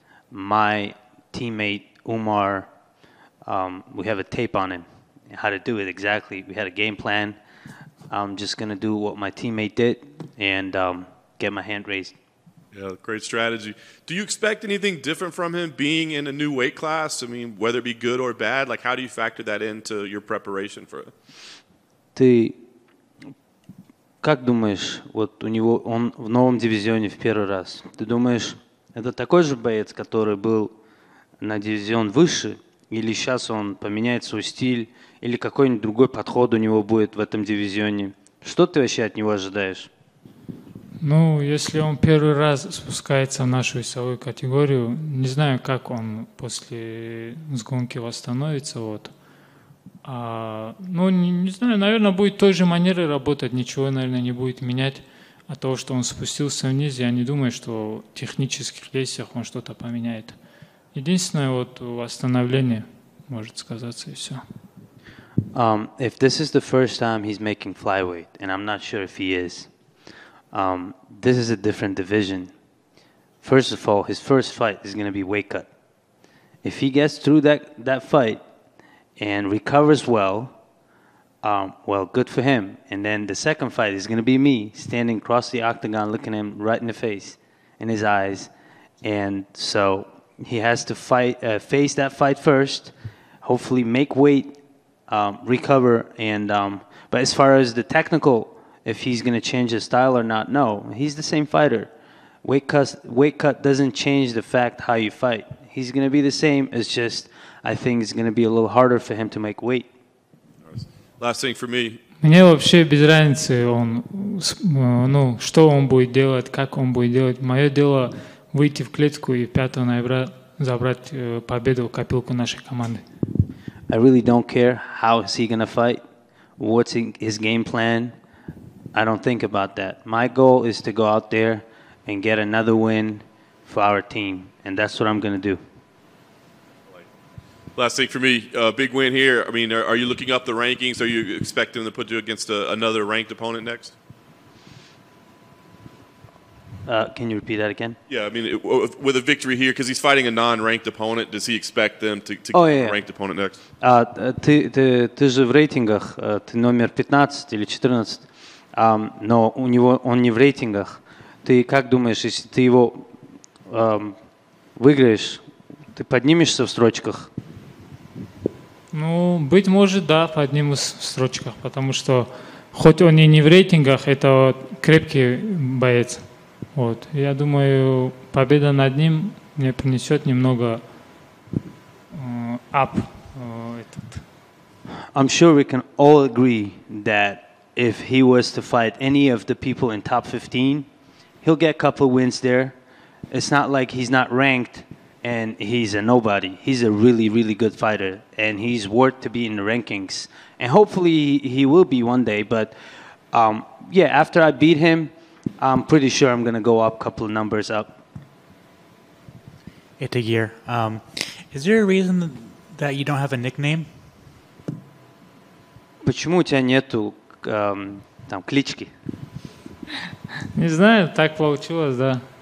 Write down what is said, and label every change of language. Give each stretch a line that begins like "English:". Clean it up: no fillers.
English: My teammate Umar, we have a tape on him, how to do it exactly. We had a game plan. I'm just going to do what my teammate did and get my hand raised. Yeah, great strategy. Do you expect anything different from him being in a new weight class? I mean, whether it be good or bad, like how do you factor that into your preparation for it?
Russian: Ты как думаешь, вот у него, он в новом дивизионе в первый раз. Ты думаешь, это такой же боец, который был на дивизион выше, или сейчас он поменяет свой стиль, или какой-нибудь другой подход у него будет в этом дивизионе. Что ты вообще от него ожидаешь? Ну, если он первый раз спускается в нашу весовую категорию, не знаю, как он после гонки восстановится. Вот. Не знаю, наверное, будет той же манерой работать, ничего, наверное, не будет менять. А то, что он спустился вниз, я не думаю, что в технических лестях он что-то поменяет. Единственное вот восстановление может сказаться и все.
English: If this is the first time he's making flyweight, and I'm not sure if he is, this is a different division. First of all, his first fight is going to be weight cut. If he gets through that fight and recovers well, well, good for him. And then the second fight is going to be me standing across the octagon, looking him right in the face, in his eyes, and so. He has to face that fight first, hopefully make weight, recover, and but as far as the technical, if he's going to change his style or not, no, he's the same fighter. Weight cut doesn't change the fact how you fight. He's going to be the same, it's just I think it's going to be a little harder for him to make weight. Last thing for me,
Russian: Мне вообще без разницы, он, ну, что он будет делать, как он будет делать. Мое дело выйти в клетку и 5 ноября забрать победу в копилку нашей команды.
English: I really don't care how is he going to fight, what's his game plan. I don't think about that. My goal is to go out there and get another win for our team. And that's what I'm going to do. Last thing for me, big win here. I mean, are you looking up the rankings? Are you expecting to put you against another ranked opponent next? Can you repeat that again? Yeah, I mean, with a victory here, because he's fighting a non-ranked opponent, does he expect them to get a ranked opponent next?
Russian: Ты же в рейтингах, ты номер 15 или 14, но у него он не в рейтингах. Ты как думаешь, если ты его выиграешь, ты поднимешься в строчках? Ну, быть может, да, поднимусь в строчках, потому что хоть он и не в рейтингах, это крепкий боец. Вот. Я думаю, победа над ним мне принесет немного
English: up.
Russian: Этот.
English: I'm sure we can all agree that if he was to fight any of the people in top 15, he'll get a couple of wins there. It's not like he's not ranked and he's a nobody. He's a really, really good fighter and he's worth to be in the rankings. And hopefully he will be one day. But yeah, after I beat him, I'm pretty sure I'm going to go up a couple of numbers up. Itagir, is there a reason that you don't have a nickname?
Russian: Почему у тебя нету там клички? Не знаю, так получилось, да.